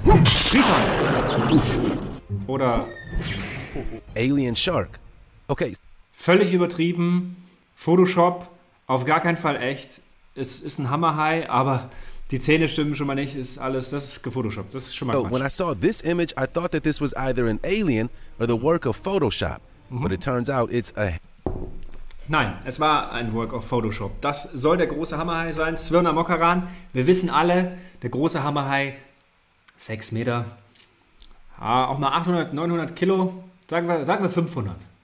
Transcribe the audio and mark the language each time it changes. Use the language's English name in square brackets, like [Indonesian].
[German] Triton. Oder Alien Shark. Okay. Völlig übertrieben. Photoshop. Auf gar keinen Fall echt. Es ist ein Hammerhai, aber die Zähne stimmen schon mal nicht, ist alles, das ist gefotoshoppt, das ist schon mal Quatsch. [English] When I saw this image, I thought that this was either an alien or the work of Photoshop. Mhm. But it turns out it's a... [German] Nein, es war ein [English] Work of Photoshop. [German] Das soll der große Hammerhai sein, Swirna Mokaran. Wir wissen alle, der große Hammerhai, 6 Meter, auch mal 800, 900 Kilo, sagen wir 600.